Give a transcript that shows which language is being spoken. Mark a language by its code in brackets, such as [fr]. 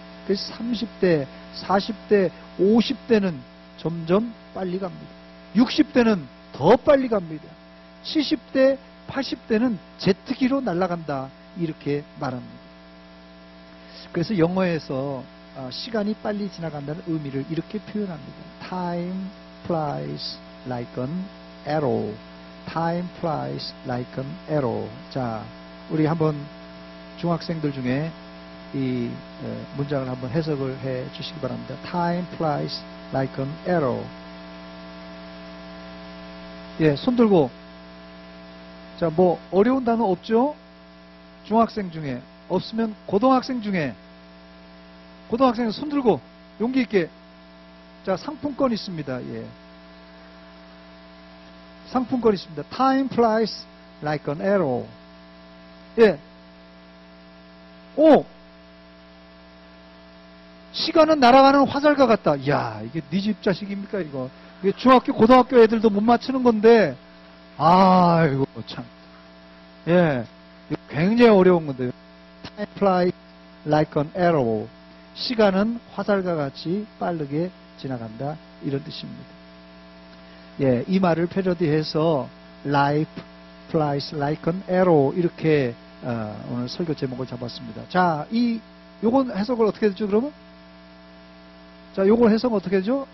[ko] 그래서 30대, 40대, 50대는 점점 빨리 갑니다. 60대는 더 빨리 갑니다. 70대, 80대는 제트기로 날아간다 이렇게 말합니다. 그래서 영어에서 시간이 빨리 지나간다는 의미를 이렇게 표현합니다. [en] Time flies like an arrow. Time flies like an arrow. [ko] 자, 우리 한번 중학생들 중에 이 문장을 한번 해석을 해 주시기 바랍니다. [en] Time flies like an arrow. [ko] 예, 손 들고. 자, 뭐 어려운 단어 없죠? 중학생 중에. 없으면 고등학생 중에. 고등학생 손 들고 용기 있게. 자, 상품권 있습니다. 예. 상품권 있습니다. [en] Time flies like an arrow. [ko] 예. 오! 시간은 날아가는 화살과 같다. 이야, 이게 네 집 자식입니까, 이거? 이게 중학교, 고등학교 애들도 못 맞추는 건데, 아이고, 참. 예. 이거 굉장히 어려운 건데요. [en] Time flies like an arrow. [ko] 시간은 화살과 같이 빠르게 지나간다. 이런 뜻입니다. 예, 이 말을 패러디해서 [en] life flies like an arrow [ko] 이렇게 오늘 설교 제목을 잡았습니다. 자, 요건 해석을 어떻게 되죠, 그러면? 자, 요건 해석 어떻게 되죠?